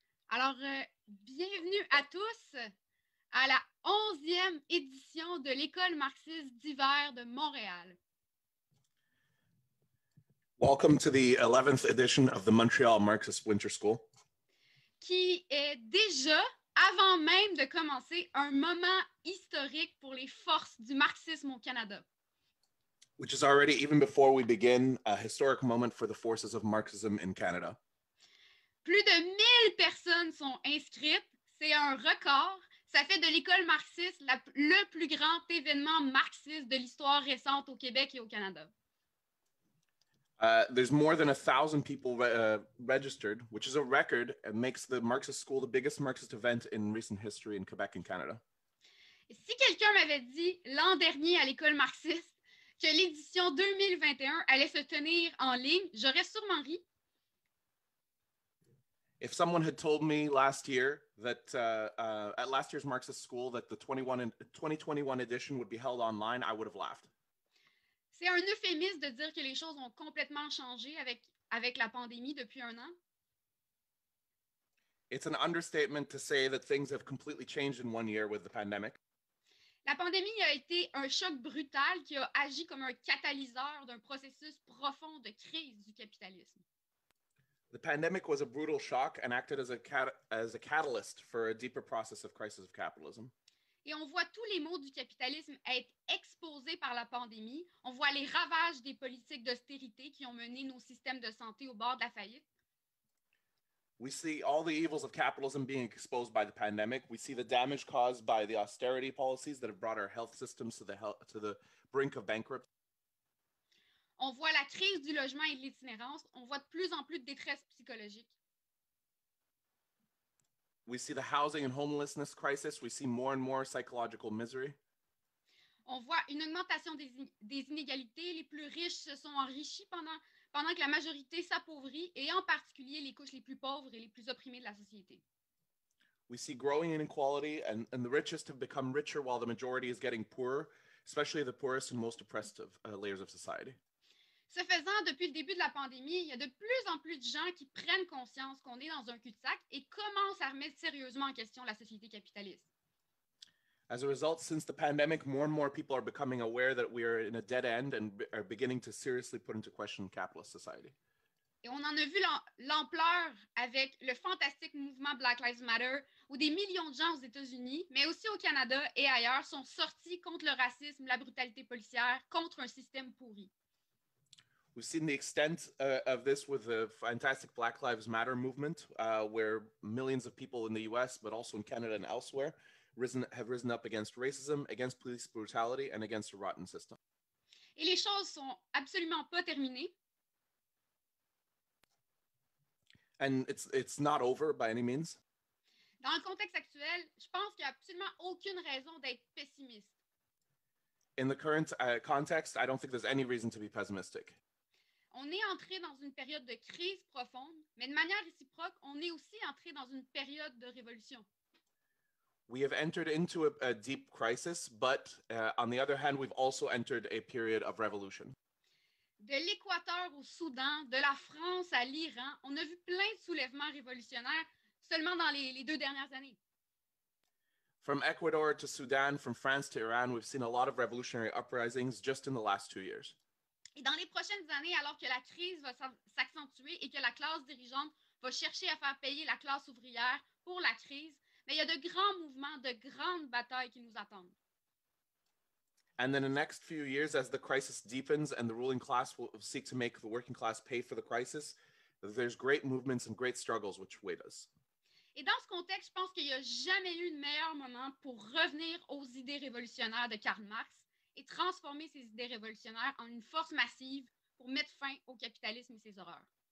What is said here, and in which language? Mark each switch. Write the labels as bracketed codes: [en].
[fr] Alors, bienvenue à tous à la 11e édition de l'École marxiste d'hiver de Montréal. [en] Welcome to the 11th edition of the Montreal Marxist Winter School. [fr] Qui est déjà, avant même de commencer, un moment historique pour les forces du marxisme au Canada. [en] Which is already, even before we begin, a historic moment for the forces of Marxism in Canada. [fr] Plus de 1000 personnes sont inscrites. C'est un record. Ça fait de l'école marxiste le plus grand événement marxiste de l'histoire récente au Québec et au Canada. [en] There's more than 1,000 people registered, which is a record and makes the Marxist school the biggest Marxist event in recent history in Quebec and Canada. [fr] Et si quelqu'un m'avait dit l'an dernier à l'école marxiste que l'édition 2021 allait se tenir en ligne, j'aurais sûrement ri. [en] If someone had told me last year that at last year's Marxist school that the 2021 edition would be held online, I would have laughed. [fr] C'est un euphémisme de dire que les choses ont complètement changé avec la pandémie depuis un an. [en] It's an understatement to say that things have completely changed in one year with the pandemic. [fr] La pandémie a été un choc brutal qui a agi comme un catalyseur d'un processus profond de crise du capitalisme. [en] The pandemic was a brutal shock and acted as a catalyst for a deeper process of crisis of capitalism. [fr] Et on voit tous les maux du capitalisme être exposés par la pandémie. On voit les ravages des politiques d'austérité qui ont mené nos systèmes de santé au bord de la faillite. [en] We see all the evils of capitalism being exposed by the pandemic. We see the damage caused by the austerity policies that have brought our health systems to the brink of bankruptcy. [fr] On voit la crise du logement et de l'itinérance. On voit de plus en plus de détresse psychologique. [en] We see the housing and homelessness crisis. We see more and more psychological misery. [fr] On voit une augmentation des inégalités. Les plus riches se sont enrichis pendant que la majorité s'appauvrit, et en particulier les couches les plus pauvres et les plus opprimées de la société. [en] We see growing inequality and the richest have become richer while the majority is getting poorer, especially the poorest and most oppressed of, layers of society. [fr] Ce faisant, depuis le début de la pandémie, il y a de plus en plus de gens qui prennent conscience qu'on est dans un cul-de-sac et commencent à remettre sérieusement en question la société capitaliste. [en] As a result, since the pandemic, more and more people are becoming aware that we are in a dead end and are beginning to seriously put into question capitalist society. [fr] Et on en a vu l'ampleur avec le fantastique mouvement Black Lives Matter, où des millions de gens aux États-Unis, mais aussi au Canada et ailleurs, sont sortis contre le racisme, la brutalité policière, contre un système pourri. [en] We've seen the extent of this with the fantastic Black Lives Matter movement, where millions of people in the US, but also in Canada and elsewhere, have risen up against racism, against police brutality, and against a rotten system. [fr] Et les choses sont absolument pas terminées. [en] And it's not over by any means. [fr] Dans le contexte actuel, je pense qu'il y a absolument aucune raison d'être pessimiste. [en] In the current context, I don't think there's any reason to be pessimistic. [fr] On est entré dans une période de crise profonde, mais de manière réciproque, on est aussi entré dans une période de révolution. [en] We have entered into a deep crisis, but on the other hand, we've also entered a period of revolution. [fr] De l'Équateur au Soudan, de la France à l'Iran, on a vu plein de soulèvements révolutionnaires seulement dans les deux dernières années. [en] From Ecuador to Sudan, from France to Iran, we've seen a lot of revolutionary uprisings just in the last two years. [fr] Et dans les prochaines années, alors que la crise va s'accentuer et que la classe dirigeante va chercher à faire payer la classe ouvrière pour la crise, mais il y a de grands mouvements, de grandes batailles qui nous attendent. [en] And then the next few years, as the crisis deepens and the ruling class will seek to make the working class pay for the crisis, there's great movements and great struggles which await us. [fr] Et dans ce contexte, je pense qu'il n'y a jamais eu de meilleur moment pour revenir aux idées révolutionnaires de Karl Marx et transformer ces idées révolutionnaires en une force massive pour mettre fin au capitalisme et ses horreurs.